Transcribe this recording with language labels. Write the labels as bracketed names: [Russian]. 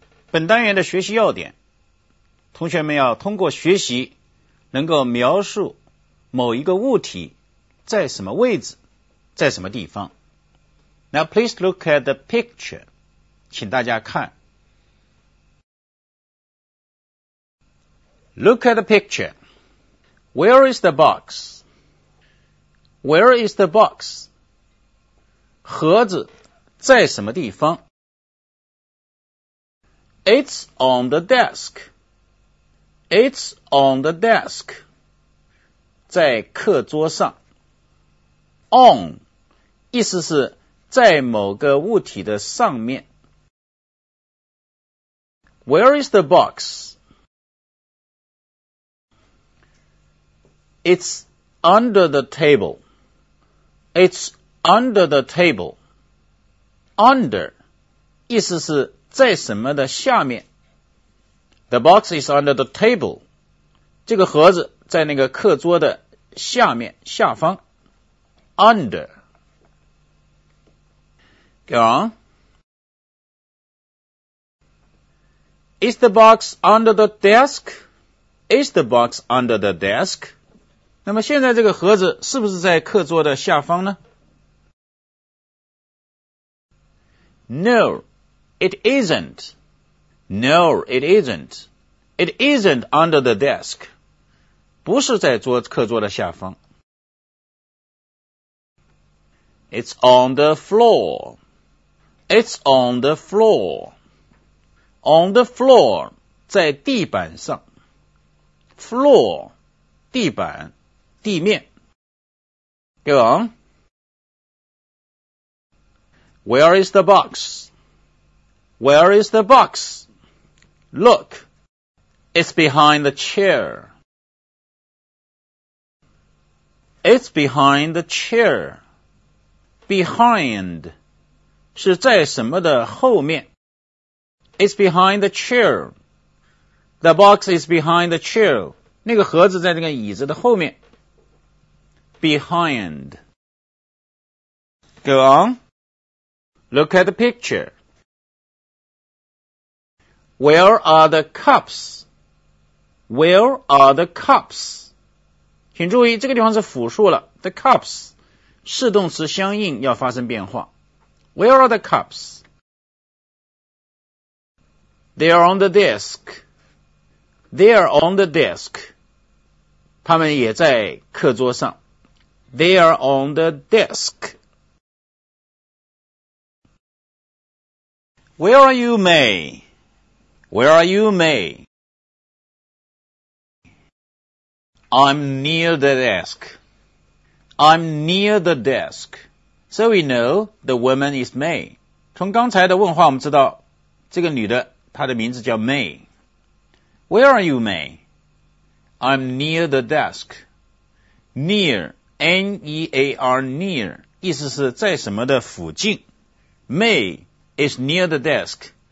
[Chinese] 本单元的学习要点，同学们要通过学习能够描述某一个物体在什么位置，在什么地方。 [English] Now please look at the picture. [Chinese] 请大家看。 [English] Look at the picture. Where is the box? Where is the box? [Chinese] 盒子在什么地方? [English] It's on the desk. It's on the desk. [Chinese] 在课桌上。 On, 意思是在某个物体的上面。 [English] Where is the box? It's under the table. It's under the table. [Chinese] Under, 意思是在什么的下面。 [English] The box is under the table. [Chinese] 这个盒子在那个课桌的下面，下方。 [English] Under. Go on. Is the box under the desk? Is the box under the desk? [Chinese] 那么现在这个盒子是不是在课桌的下方呢? [English] No, it isn't. No, it isn't. It isn't under the desk. [Chinese] 不是在课桌的下方。 [English] It's on the floor. It's on the floor. On the floor, [Chinese] 在地板上。 Floor, 地板。地面。 [English] Go on. Where is the box? Where is the box? Look, it's behind the chair. It's behind the chair. [Chinese] Behind 是在什么的后面? [English] It's behind the chair. The box is behind the chair. [Chinese] 那个盒子在那个椅子的后面。 [English] Behind. Go on. Look at the picture. Where are the cups? Where are the cups? [Chinese] 请注意，这个地方是复数了。The cups 是动词相应要发生变化。 [English] Where are the cups? They are on the desk. They are on the desk. [Chinese] 他们也在课桌上。 [English] They are on the desk. Where are you, May? Where are you, May? I'm near the desk. I'm near the desk. So we know the woman is May. [Chinese] 从刚才的问话我们知道这个女的她的名字叫 May. [English] Where are you, May? I'm near the desk. Near. [Chinese] N-E-A-R, near, 意思是在什么的附近。 [English] May is near the desk.